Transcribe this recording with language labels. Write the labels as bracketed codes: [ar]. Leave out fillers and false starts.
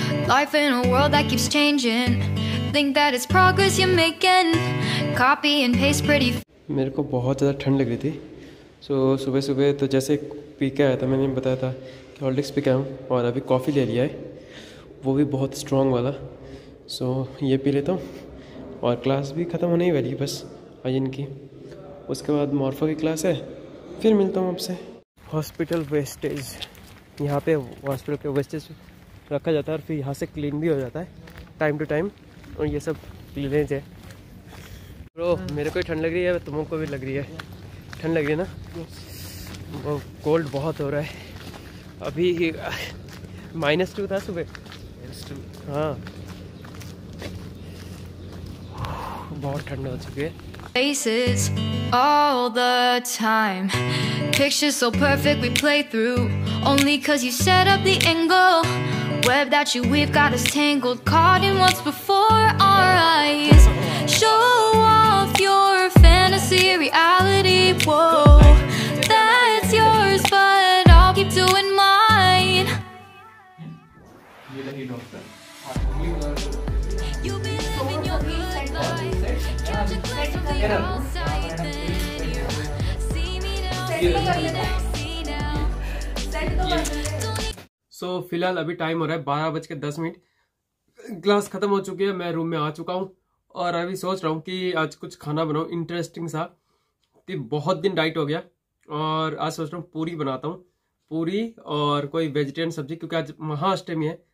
[en] Life in a world that keeps changing, think that it's progress you're making, copy and paste pretty. [hi] मेरे को बहुत ज़्यादा ठंड लग रही थी, सो सुबह सुबह तो जैसे पी के आया था, मैंने बताया था कि हॉर्लिक्स पी के आया हूँ, और अभी कॉफ़ी ले लिया है, वो भी बहुत स्ट्रॉन्ग वाला, सो ये पी लेता हूँ। और क्लास भी ख़त्म होने ही वाली है बस आज इनकी, उसके बाद मॉर्फो की क्लास है, फिर मिलता हूँ आपसे। हॉस्पिटल वेस्टेज, यहाँ पे हॉस्पिटल के वेस्टेज रखा जाता है, और फिर यहाँ से क्लीन भी हो जाता है टाइम टू टाइम, और ये सब क्लीनेज है। ब्रो मेरे को ठंड लग रही है, तुमको भी लग रही है ठंड लग रही है ना? वो कोल्ड बहुत हो रहा है अभी, -2 था सुबह, हाँ बहुत ठंड हो चुकी है। [en] Faces all the time, pictures so perfect we play through, only cause you set up the angle, web that you weave got us tangled, caught in what's before our eyes, show your fantasy reality, whoa, that's yours, but I'll keep doing mine. You've been living your good life, catch a glimpse of the outside, then you see me now, see now, see now. [hi] So, फिलहाल अभी time हो रहा है 12:10, class खत्म हो चुकी है, मैं रूम में आ चुका हूँ। और अभी सोच रहा हूँ कि आज कुछ खाना बनाऊँ इंटरेस्टिंग सा, कि बहुत दिन डाइट हो गया, और आज सोच रहा हूँ पूरी बनाता हूँ, पूरी और कोई वेजिटेरियन सब्जी, क्योंकि आज महाअष्टमी है।